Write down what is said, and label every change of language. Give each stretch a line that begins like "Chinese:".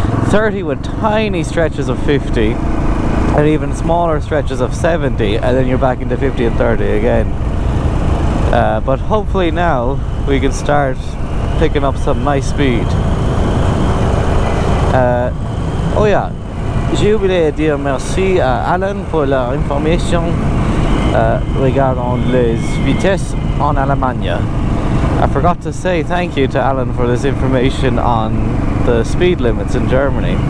English: 30 with tiny stretches of 50 and even smaller stretches of 70. And then you're back into 50 and 30 again. But hopefully now we can start picking up some nice speed.
French: J'ai oublié de dire merci à Alan pour la information regarding les vitesses en Allemagne.
English: I forgot to say thank you to Alan for this information on the speed limits in Germany.